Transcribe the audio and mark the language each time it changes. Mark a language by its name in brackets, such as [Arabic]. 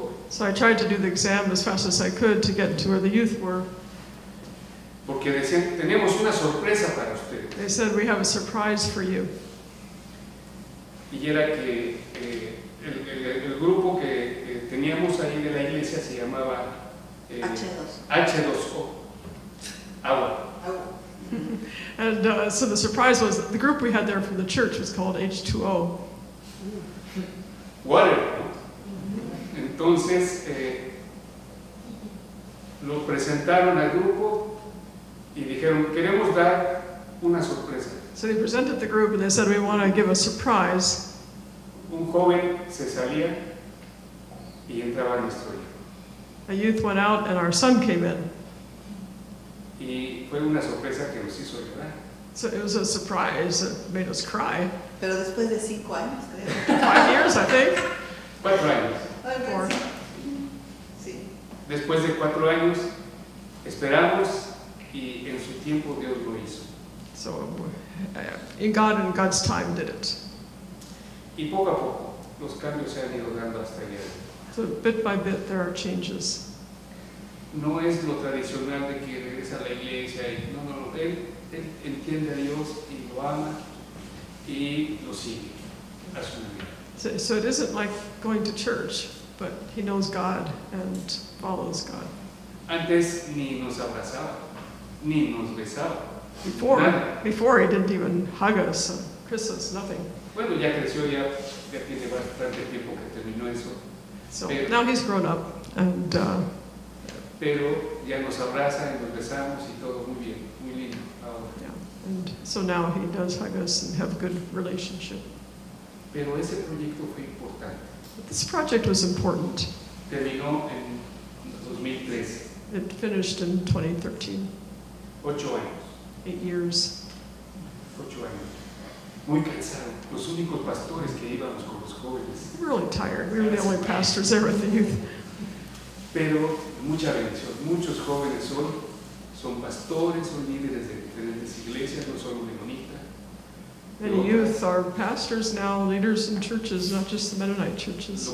[English] So I tried to do the exam as fast as I could to get to where the youth were. [Spanish] Porque decían, tenemos una sorpresa para ustedes. [English] They said, we have a surprise for you. [Spanish] Y era que el grupo que teníamos ahí de la iglesia se llamaba H2O. Agua. [English] And so the surprise was that the group we had there from the church was called H2O. Water. [Spanish] Entonces lo presentaron al grupo y dijeron, queremos dar una sorpresa. [English] So they presented the group and they said, we want to give a surprise. [Spanish] Un joven se salía y entraba en la historia. [English] A youth went out and our son came in. [Spanish] Y fue una sorpresa que nos hizo llorar. [English] So it was a surprise that made us cry. [Spanish] Pero después de 5 años, creo. [English] 5 years, I think. [Spanish] 4 años. [English] Four. [Spanish] Sí. Después de 4 años, esperamos y en su tiempo Dios lo hizo. [English] So in God and God's time did it. [Spanish] Y poco a poco los cambios se han ido dando hasta el día. [English] So bit by bit there are changes. [Spanish] No es lo tradicional de que regresa a la iglesia y no, él entiende a Dios y lo ama y lo sigue a su manera. [English] So it isn't like going to church, but he knows God and follows God. [Spanish] Antes ni nos abrazaba, ni nos besaba. [English] Before he didn't even hug us, kiss us, nothing. [Spanish] Bueno, ya creció, ya tiene bastante tiempo que terminó eso. [English] So pero, now he's grown up and... [Spanish] pero ya nos abraza y nos besamos y todo muy bien, muy lindo ahora. [English] Yeah. And so now he does hug us and have a good relationship. [Spanish] Pero ese proyecto fue importante. [English] But this project was important. [Spanish] Terminó en 2013. [English] It finished in 2013. [Spanish] 8 años. [English] 8 years. [Spanish] 8 años. Muy cansado. Los únicos pastores que íbamos con los jóvenes. [English] Really tired. We were the only pastors there with the youth. [Spanish] Pero mucha bendición. Muchos jóvenes son pastores, son líderes de diferentes iglesias, no solo Menonita. [English] Many youth are pastors now, leaders in churches, not just the Mennonite churches.